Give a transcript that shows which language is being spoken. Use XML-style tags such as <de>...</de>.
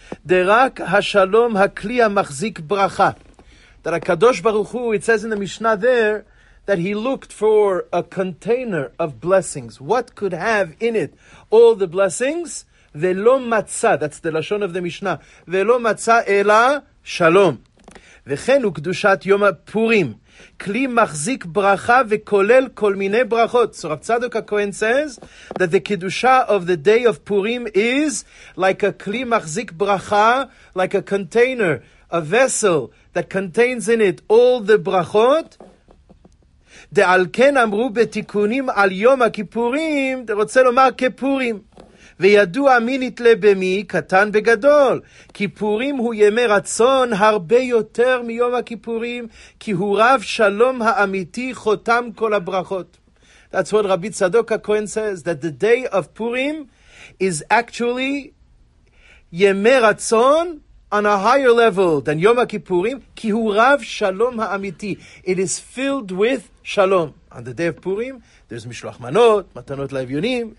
<he>Derak ha-shalom ha-kli ha-machzik bracha.</he> <en>That HaKadosh Baruch Hu, it says in the Mishnah there, that he looked for a container of blessings. What could have in it all the blessings?</en> <he>V'lo matza.</he> <en>That's the Lashon of the Mishnah.</en> <he>V'lo matza ela shalom. וכן הוא קדושת יום הפורים, כלי מחזיק ברכה וכולל כל מיני ברכות.</he> <en>So Rav Tzadok HaKohen says that the kedusha of the day of Purim is like a kli machzik bracha, like a container, a vessel that contains in it all the brachot.</en> <he>דעל כן אמרו בתיקונים על יום הכיפורים, רוצה לומר כפורים. וידוע מי נתלה במי, קטן בגדול. כיפורים הוא ימי רצון הרבה יותר מיום הכיפורים, כי הוא רב שלום האמיתי חותם כל הברכות.</he> <en>That's what Rabbi Tzadok HaKohen says, that the day of Purim is actually ימי רצון on a higher level than יום הכיפורים,</en> <he>כי הוא רב שלום האמיתי.</he> <en>It is filled with shalom. On the day of Purim, there's mishloach manot, matanot la'evyonim.</en>